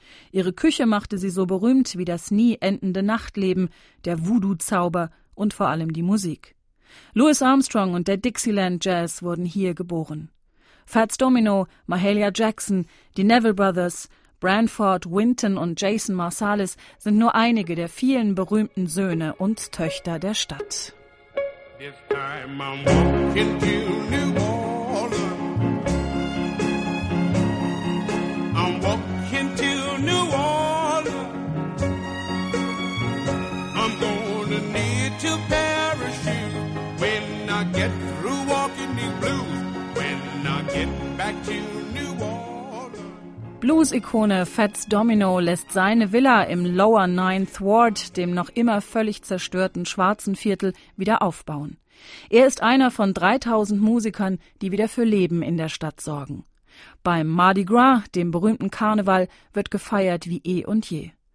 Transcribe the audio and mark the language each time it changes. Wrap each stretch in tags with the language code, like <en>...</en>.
<de>Ihre Küche machte sie so berühmt wie das nie endende Nachtleben, der Voodoo-Zauber und vor allem die Musik. Louis Armstrong und der Dixieland Jazz wurden hier geboren. Fats Domino, Mahalia Jackson, die Neville Brothers, Branford, Wynton und Jason Marsalis sind nur einige der vielen berühmten Söhne und Töchter der Stadt.</de> <en>This time I'm walking to New Orleans. I'm walking to New Orleans. I'm gonna need to parachute when I get through walking these blues. When I get back to New Orleans.</en> <de>Blues-Ikone Fats Domino lässt seine Villa im Lower Ninth Ward, dem noch immer völlig zerstörten schwarzen Viertel, wieder aufbauen. Er ist einer von 3000 Musikern, die wieder für Leben in der Stadt sorgen. Beim Mardi Gras, dem berühmten Karneval, wird gefeiert wie eh und je.</de>